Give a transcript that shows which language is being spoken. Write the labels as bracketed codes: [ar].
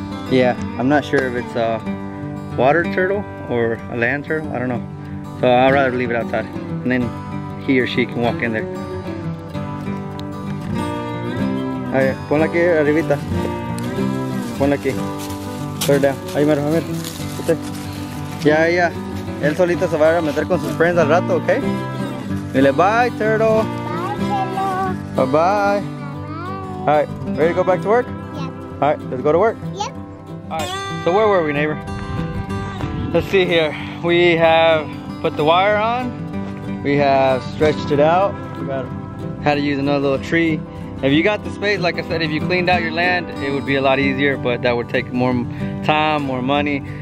[en] Yeah, I'm not sure if it's a water turtle or a land turtle. I don't know. So I'd rather leave it outside. And then he or she can walk in there. [es] Ahí, ponla aquí arribita. Ponla aquí. [en] Put it down. [es] Ahí, mero, mero. Ya, yeah, ya, yeah. Él solito se va a meter con sus friends al rato, ¿ok? [en] Dile, bye, turtle. Bye, turtle. Bye-bye. All right, ready to go back to work? Yeah. All right, let's go to work. Yeah. All right, so where were we, neighbor? Let's see here. We have put the wire on. We have stretched it out. We got how to use another little tree. If you got the space, like I said, if you cleaned out your land, it would be a lot easier, but that would take more time, more money.